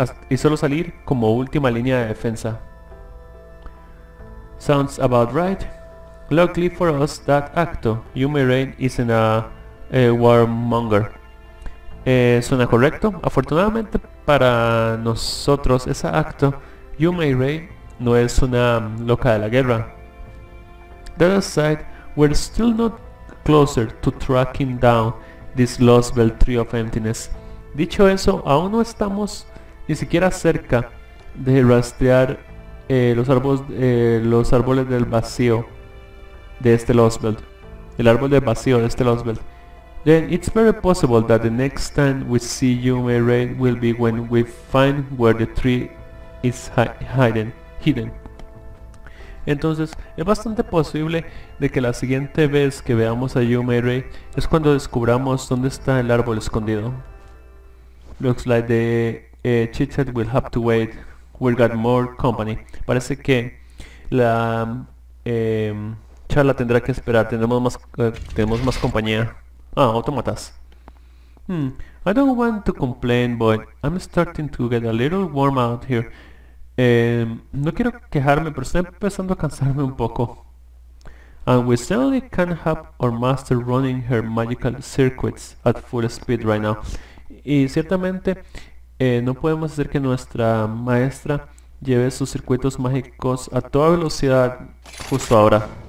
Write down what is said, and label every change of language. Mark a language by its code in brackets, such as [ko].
[es] Y solo salir como última línea de defensa. [en] Sounds about right. Luckily for us that Acto Yumeiren isn't a warmonger. [es] Suena correcto. Afortunadamente para nosotros, esa Acto Yumei Rei no es una loca de la guerra. [en] That aside, we're still not closer to tracking down this lost belt tree of emptiness. [es] Dicho eso, aún no estamos ni siquiera cerca de rastrear los árboles del vacío de este Lost Belt. El árbol del vacío de este Lost Belt. [en] Then it's very possible that the next time we see Yume Rei will be when we find where the tree is hidden. [es] Entonces, es bastante posible de que la siguiente vez que veamos a Yume Rei es cuando descubramos dónde está el árbol escondido. [en] Looks like the chit-chat will have to wait. We've got more company. [es] Parece que la charla tendrá que esperar. Tenemos más compañía. Ah, autómatas. [en] I don't want to complain, but I'm starting to get a little warm out here. [es] No quiero quejarme, pero estoy empezando a cansarme un poco. [en] And we certainly can't have our master running her magical circuits at full speed right now. [es] Y ciertamente no podemos hacer que nuestra maestra lleve sus circuitos mágicos a toda velocidad justo ahora.